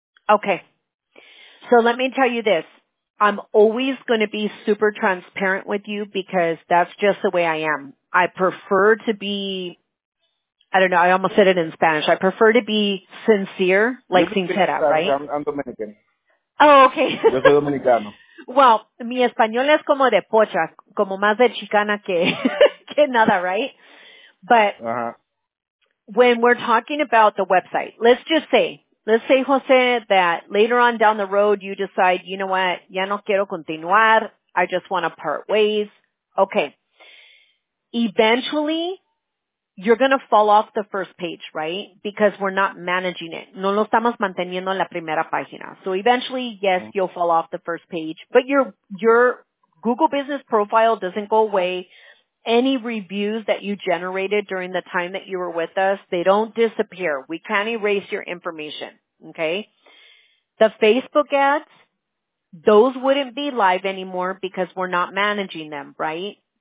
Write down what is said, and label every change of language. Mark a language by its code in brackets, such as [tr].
[en] Okay. So let me tell you this. I'm always going to be super transparent with you because that's just the way I am. I prefer to be, I don't know, I almost said it in Spanish. I prefer to be sincere, like sincera, right? I'm Dominican. Oh, okay. [es] Yo soy Dominicano. Well, mi español es como de pocha, como más de chicana que nada, right? [en] But when we're talking about the website, let's say, Jose, that later on down the road, you decide, you know what, [es] ya no quiero continuar, [en] I just want to part ways. Okay. Eventually, you're going to fall off the first page, right? Because we're not managing it. [es] No lo estamos manteniendo en la primera página. [en] So eventually, yes, you'll fall off the first page. But your Google Business profile doesn't go away. Any reviews that you generated during the time that you were with us, they don't disappear. We can't erase your information, okay? The Facebook ads, those wouldn't be live anymore because we're not managing them, right?